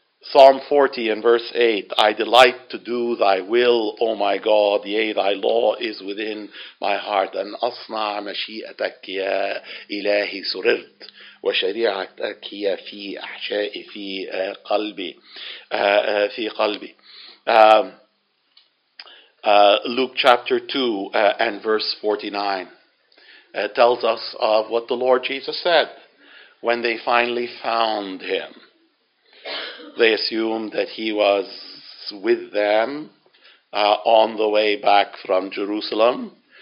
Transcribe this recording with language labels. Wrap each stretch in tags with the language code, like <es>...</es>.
<en>Psalm 40 and verse 8, I delight to do thy will, O my God, yea, thy law is within my heart.</en> <ar>And asna mashi'atak ya ilahi surirt. وشريعتك هي في أحشائي في قلبي في قلبي.</ar> <en>Luke chapter 2 and verse 49 tells us of what the Lord Jesus said when they finally found him. They assumed that he was with them on the way back from Jerusalem.</en>